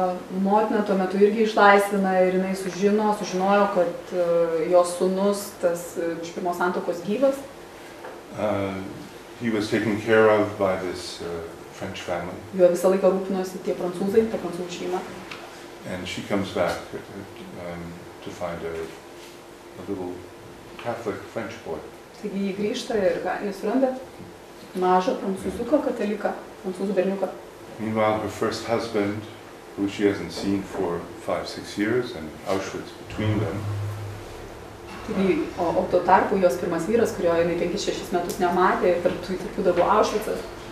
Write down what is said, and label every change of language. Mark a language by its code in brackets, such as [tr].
[lt] Motina tuo metu irgi išlaisvina ir jinai sužinojo, kad jos sūnus, tas iš pirmos santokos gyvas. [en] He was taken care of by this French family. [lt] Jo visą laiką rūpinosi tie prancūzai, ta prancūzų šeima. [en] And she comes back to find a little Catholic French boy. [lt] Taigi ji grįžta ir jis randa mažą prancūziuką kataliką, prancūzų berniuką. [en] Meanwhile, her first husband, who she hasn't seen for 5-6 years, and Auschwitz between them. [lt] O tuo tarpu jos pirmas vyras, kurio jinai 5-6 metus nematė, ir tarp tų tokių darbų Auschwitzas.